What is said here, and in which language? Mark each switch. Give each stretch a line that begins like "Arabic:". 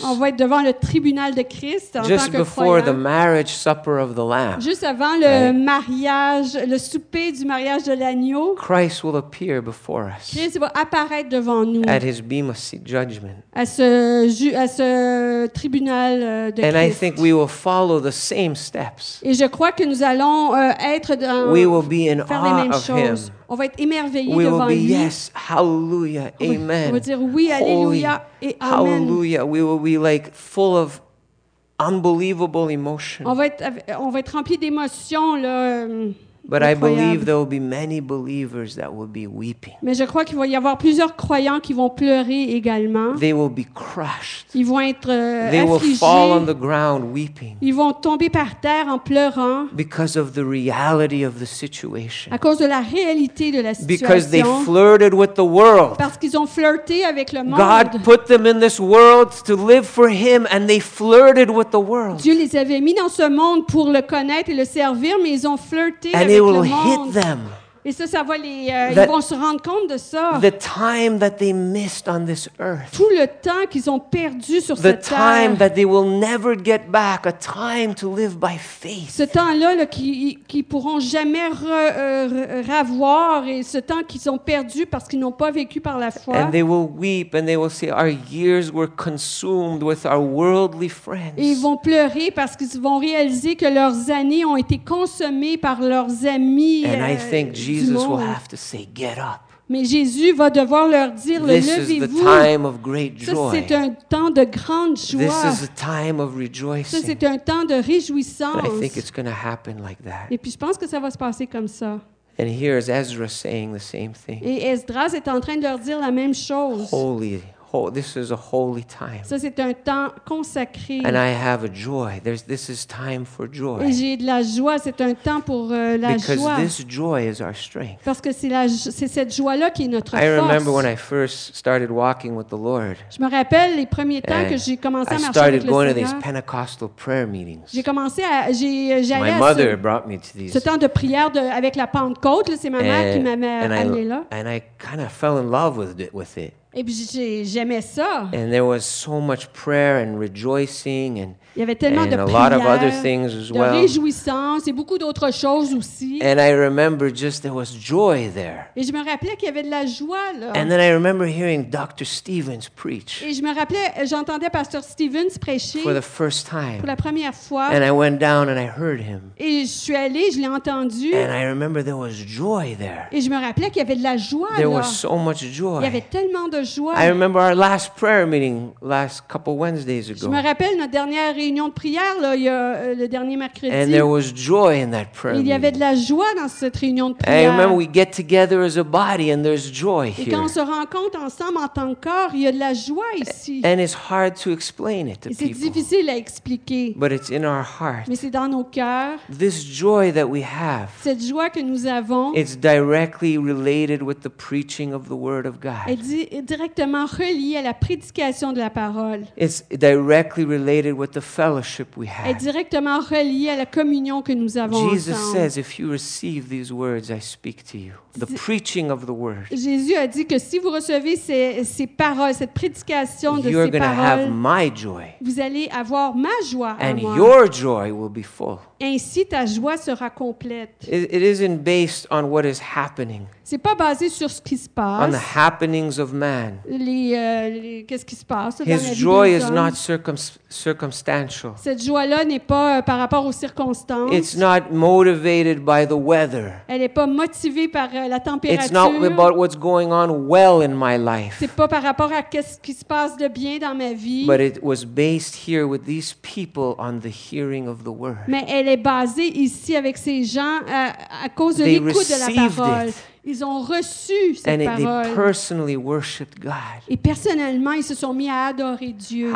French: On va être devant le tribunal de Christ en tant que croyants.
English: Just before the marriage supper of the Lamb.
French: Juste avant le mariage, le souper du mariage de l'agneau.
English: Christ will appear before us.
French: Christ va apparaître devant nous.
English: At his bema seat judgment.
French: À ce tribunal de Christ.
English: And I think we will follow the same steps.
French: Et je crois que nous allons être dans
English: we will be in
French: faire les mêmes choses.
English: Him.
French: On va être émerveillés devant lui.
English: Yes, hallelujah, amen.
French: On va dire oui, alléluia, et amen.
English: Hallelujah, we will be like full of unbelievable emotion.
French: On va être rempli d'émotions là.
English: But I believe there will be many believers that will be weeping.
French: Mais je crois qu'il va y avoir plusieurs croyants qui vont pleurer également.
English: They will be crushed.
French: Ils vont être affligés.
English: They will fall on the ground weeping.
French: Ils vont tomber par terre en pleurant.
English: Because of the reality of the situation.
French: À cause de la réalité de la situation.
English: Because they flirted with the world.
French: Parce qu'ils ont flirté avec le monde.
English: God put them in this world to live for him and they flirted with the world.
French: Dieu les avait mis dans ce monde pour le connaître et le servir, mais ils ont flirté.
English: And it will hit them.
French: Et ça va les ils vont se rendre compte de ça.
English: The time that they missed on this earth.
French: Tout le temps qu'ils ont perdu sur cette terre.
English: The time that they will never get back, a time to live by faith.
French: Ce temps-là là, qu'ils pourront jamais revoir et ce temps qu'ils ont perdu parce qu'ils n'ont pas vécu par la foi.
English: And they will weep and they will say our years were consumed with our worldly friends.
French: Et ils vont pleurer parce qu'ils vont réaliser que leurs années ont été consommées par leurs amis.
English: And I think Jesus will have to say, "Get up."
French: Mais Jésus va devoir leur dire, levez-vous. Ça, c'est un temps de grande joie.
English: This is a time of rejoicing.
French: Ça, c'est un temps de réjouissance.
English: I think it's going to happen like that.
French: Et puis, je pense que ça va se passer comme ça.
English: And here is Ezra saying the same thing.
French: Et Esdras est en train de leur dire la même chose.
English: Holy. Oh, this is a holy time.
French: Ça, c'est un temps consacré.
English: And I have a joy. This is time for joy.
French: Et j'ai de la joie. C'est un temps pour la
English: Because
French: joie.
English: This joy is our strength.
French: Parce que c'est cette joie-là qui est notre
English: I
French: force.
English: I remember when I first started walking with the Lord.
French: Je me rappelle les premiers temps que j'ai commencé à marcher avec le Seigneur.
English: I started going to these Pentecostal prayer meetings.
French: J'ai commencé à j'allais
English: My mother brought me to these.
French: Ce temps de prière avec la Pentecôte, là, c'est ma mère qui m'avait amené là.
English: And I kind of fell in love with it.
French: Et puis j'aimais ça.
English: And there was so much prayer and rejoicing and
French: il y avait tellement
English: and
French: de
English: a
French: prières,
English: lot of other things as
French: de
English: well.
French: Réjouissance et beaucoup d'autres choses aussi.
English: And I remember just there was joy there.
French: Et je me rappelais qu'il y avait de la joie là.
English: And then I remember hearing Dr. Stevens preach.
French: Et je me rappelais, j'entendais Pasteur Stevens prêcher
English: for the first time.
French: Pour la première fois.
English: And I went down and I heard him.
French: Et je suis allée, je l'ai entendu.
English: And I remember there was joy there.
French: Et je me rappelais qu'il y avait de la joie
English: there
French: là.
English: There was so much joy.
French: Il y avait tellement de joie.
English: I remember our last prayer meeting last couple Wednesdays ago.
French: Je me rappelle notre dernière réunion de prière là, le dernier mercredi.
English: And there was joy in that prayer.
French: Il y avait de la joie dans cette réunion de prière.
English: And remember, we get together as a body, and there's joy here.
French: Et quand on se rencontre ensemble en tant que corps, il y a de la joie ici.
English: And it's hard to explain it to people.
French: C'est difficile à expliquer.
English: But it's in our heart.
French: Mais c'est dans nos cœurs.
English: This joy that we have.
French: Cette joie que nous avons.
English: It's directly related with the preaching of the word of God.
French: Est directement reliée à la prédication de la parole.
English: It's directly related with the fellowship we have.
French: Est directement relié à la communion que nous avons
English: Jesus
French: ensemble.
English: Says, if you receive these words I speak to you, the preaching of the word.
French: Jésus a dit que si vous recevez ces paroles, cette prédication de
English: you're
French: ces paroles,
English: have my joy,
French: vous allez avoir ma joie.
English: And
French: à moi.
English: Your joy will be full.
French: Ainsi ta joie sera complète.
English: It isn't based on what is happening.
French: C'est pas basé sur ce qui se passe.
English: On the happenings of man.
French: Qu'est-ce qui se passe
English: His
French: dans la
English: joy
French: vie des
English: is not circumstantial.
French: Cette joie-là n'est pas par rapport aux circonstances.
English: It's not motivated by the weather.
French: Elle n'est pas motivée par la température.
English: It's not about what's going on well in my life.
French: C'est pas par rapport à qu'est-ce qui se passe de bien dans ma vie.
English: But it was based here with these people on the hearing of the word.
French: Mais elle est basée ici avec ces gens à cause de l'écoute de la parole.
English: It.
French: Ils ont reçu
English: and
French: ces paroles.
English: They personally worshiped God.
French: Et personnellement, ils se sont mis à adorer Dieu.